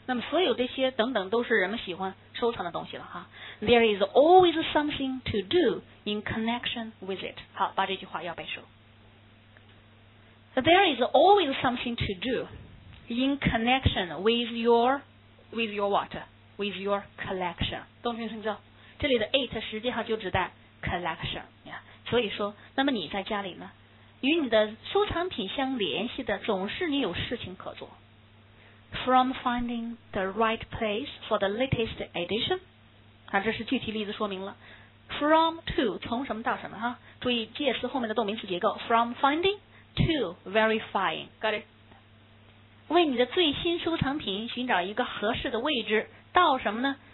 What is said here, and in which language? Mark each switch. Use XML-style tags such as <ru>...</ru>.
<zh>那么所有这些等等都是人们喜欢收藏的东西了哈。</zh> <en>There is always something to do in connection with it.</en> <zh>好，把这句话要背熟。</zh> <en>There is always something to do in connection with your what? With your collection.</en> <zh>动词性叫。这里的</zh> <en>it</en> <zh>实际上就指代</zh> <en>collection. Yeah.</en> <zh>所以说，那么你在家里呢，与你的收藏品相联系的，总是你有事情可做。</zh> <en>from finding the right place for the latest edition.</en> <zh>啊，这是具体例子说明了。</zh> <en>From to</en> <zh>从什么到什么哈？注意介词后面的动名词结构。</zh> <en>From finding to verifying. Got it.</en> <zh>为你的最新收藏品寻找一个合适的位置，到什么呢？</zh>